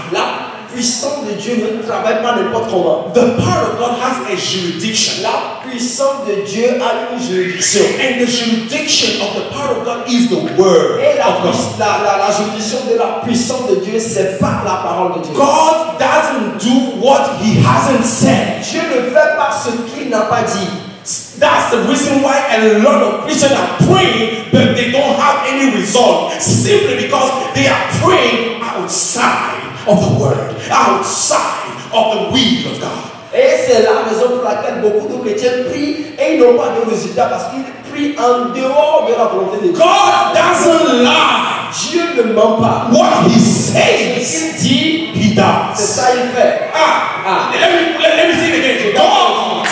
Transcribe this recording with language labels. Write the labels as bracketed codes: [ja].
[fr] La puissance de Dieu ne travaille pas n'importe comment. [en] The power of God has a juridiction. [fr] La puissance de Dieu a une juridiction. [en] And the juridiction of the power of God is the word. [fr] Et la juridiction de la puissance de Dieu, c'est pas la parole de Dieu. [en] God doesn't do what he hasn't said. [fr] Dieu ne fait pas ce qu'il n'a pas dit. [en] That's the reason why a lot of Christians are praying, but they don't have any result, simply because they are praying outside of the word, outside of the will of God. [fr] Et c'est la raison pour laquelle beaucoup de chrétiens prient et ils n'ont pas de résultat parce qu'ils prient en dehors de la volonté de Dieu. [en] God doesn't lie. [fr] Dieu ne ment pas. [en] What he says, [fr] il dit, [en] he does. [fr] C'est ça il fait. [en] Let me say it again. God,